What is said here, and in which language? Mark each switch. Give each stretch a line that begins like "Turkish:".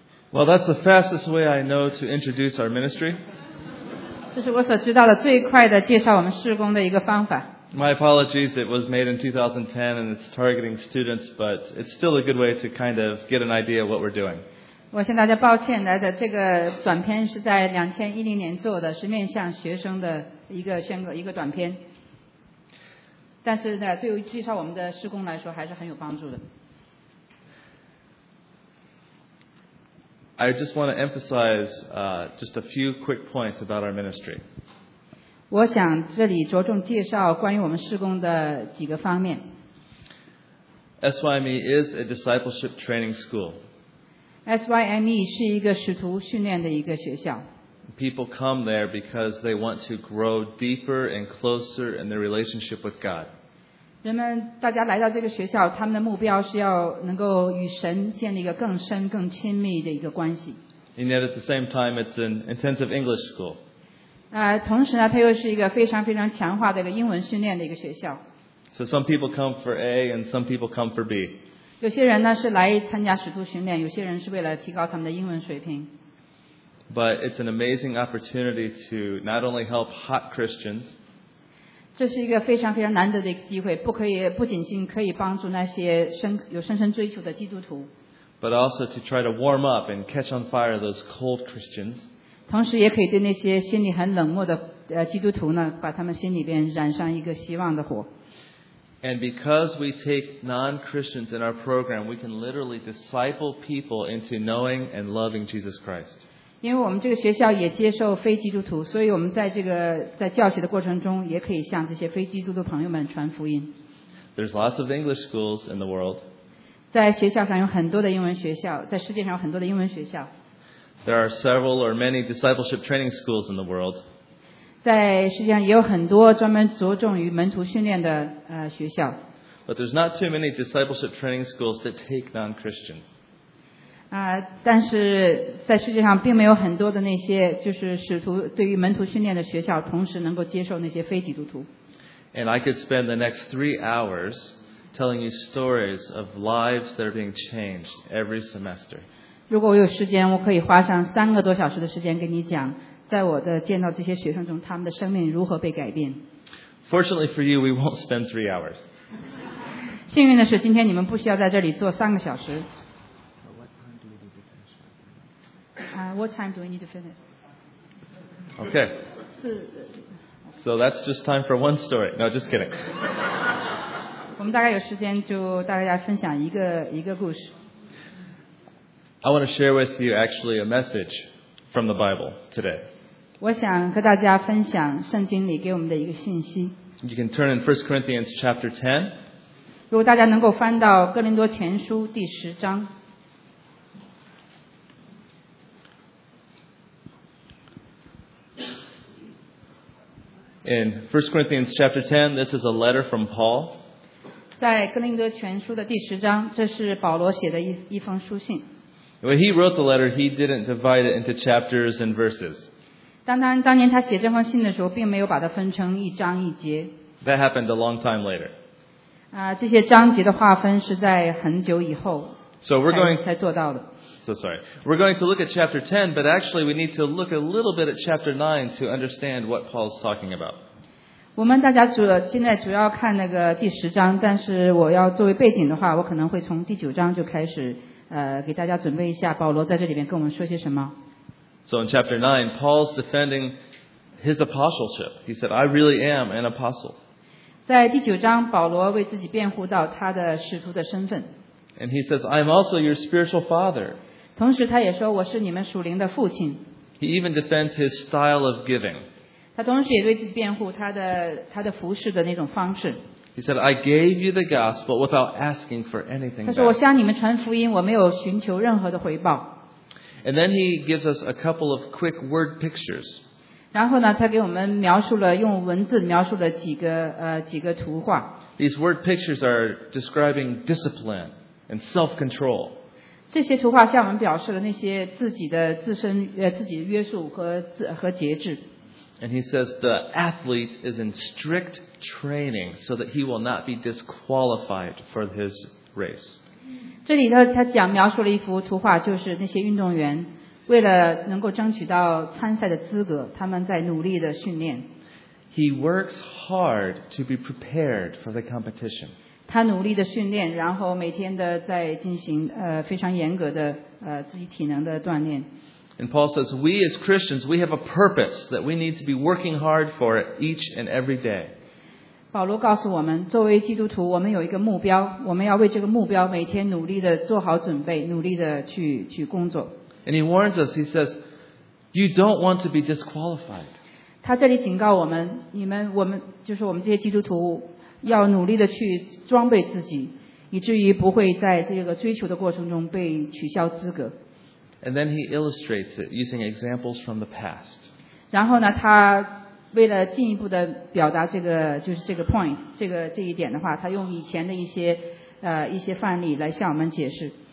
English: Well, that's the fastest way I know to introduce our ministry.
Chinese: 这是我所知道的最快的介绍我们事工的一个方法。
English: My apologies, it was made in 2010 and it's targeting students, but it's still a good way to kind of get an idea of what we're doing.
Chinese: 我向大家抱歉，来的这个短片是在2010年做的，是面向学生的一个短片。但是呢，对于介绍我们的事工来说，还是很有帮助的。
English: I just want to emphasize just a few quick points about our ministry.
Chinese: 我想这里着重介绍关于我们事工的几个方面。
English: SYME is a discipleship training school.
Chinese: SYME 是一个使徒训练的一个学校。
English: People come there because they want to grow deeper and closer in their relationship with God.
Chinese: 人们大家来到这个学校，他们的目标是要能够与神建立一个更深更亲密的一个关系。
English: And yet at the same time, it's an intensive English school.
Chinese: 同时呢，它又是一个非常非常强化的一个英文训练的一个学校。
English: So some people come for A and some people come for B.
Chinese: 有些人呢是来参加使徒训练，有些人是为了提高他们的英文水平。
English: But it's an amazing opportunity to not only help hot Christians,
Chinese: 这是一个非常非常难得的一个机会，不仅仅可以帮助那些有深深追求的基督徒。
English: But also to try to warm up and catch on fire those cold Christians.
Chinese: 同时也可以对那些心里很冷漠的基督徒呢，把他们心里边燃上一个希望的火。
English: And because we take non-Christians in our program, we can literally disciple people into knowing and loving Jesus Christ.
Chinese: 因为我们这个学校也接受非基督徒，所以我们在这个在教学的过程中，也可以向这些非基督徒的朋友们传福音。
English: There's lots of English schools in the world.
Chinese: 在学校上有很多的英文学校，在世界上有很多的英文学校。
English: There are several or many discipleship training schools in the world.
Chinese: 在世界上也有很多专门着重于门徒训练的学校。
English: But there's not too many discipleship training schools that take non-Christians.
Chinese: 但是在世界上并没有很多的那些就是使徒对于门徒训练的学校同时能够接受那些非基督徒。
English: And I could spend the next 3 hours telling you stories of lives that are being changed every semester.
Chinese: 如果我有时间，我可以花上3个多小时的时间跟你讲，在我的见到这些学生中，他们的生命如何被改变。
English: Fortunately for you, we won't spend 3 hours.
Chinese: 幸运的是，今天你们不需要在这里坐3个小时。
English: What time do we need to finish? Okay. So that's just time for one story. No, just kidding.
Chinese: 我们大概有时间就大家分享一个故事。
English: I want to share with you actually a message. from the Bible today.
Chinese: 我想和大家分享圣经里给我们的一个信息。
English: You can turn in 1 Corinthians chapter 10.
Chinese: 如果大家能够翻到哥林多前书第十章。
English: In 1 Corinthians chapter 10, this is a letter from Paul.
Chinese: 在哥林多前书的第十章，这是保罗写的一封书信。
English: When he wrote the letter, he didn't divide it into chapters and verses.
Chinese: 当年他写这封信的时候，并没有把它分成一章一节。
English: That happened a long time later.
Chinese: 这些章节的划分是在很久以后才做到的。
English: So sorry. We're going to look at chapter 10, but actually we need to look a little bit at chapter 9 to understand what Paul's talking about.
Chinese: 我们大家现在主要看那个第十章，但是我要作为背景的话，我可能会从第九章就开始给大家准备一下保罗在这里面跟我们说些什么。
English: So in chapter 9, Paul's defending his apostleship. He said, I really am an apostle.
Chinese: 在第九章，保罗为自己辩护到他的使徒的身份。
English: And he says, I'm also your spiritual father.
Chinese: 同时他也说我是你们属灵的父亲。
English: He even defends his style of giving.
Chinese: 他同时也为自己辩护他的服事的那种方式。
English: He said, I gave you the gospel without asking for anything back.
Chinese: 他说我向你们传福音，我没有寻求任何的回报。
English: And then he gives us a couple of quick word pictures.
Chinese: 然后呢，他给我们描述了用文字描述了几个图画。
English: These word pictures are describing discipline. And self-control.
Chinese: 这些图画向我们表示了那些自己的自身自己的约束和节制。
English: And he says the athlete is in strict training so that he will not be disqualified for his race.
Chinese: 这里头他讲描述了一幅图画，就是那些运动员为了能够争取到参赛的资格，他们在努力的训练。
English: He works hard to be prepared for the competition.
Chinese: 他努力的训练，然后每天的在进行非常严格的自己体能的锻炼。
English: And Paul says, we as Christians, we have a purpose that we need to be working hard for it each and every day.
Chinese: 保罗告诉我们，作为基督徒，我们有一个目标，我们要为这个目标每天努力的做好准备，努力的去工作。
English: And he warns us, he says, you don't want to be disqualified.
Chinese: 他这里警告我们，就是我们这些基督徒。要努力的去装备自己，以至于不会在这个追求的过程中被取消资格。
English: And then he illustrates it using examples from the past.
Chinese: 然后呢，他为了进一步的表达这个就是这个 point 这一点的话，他用以前的一些范例来向我们解释。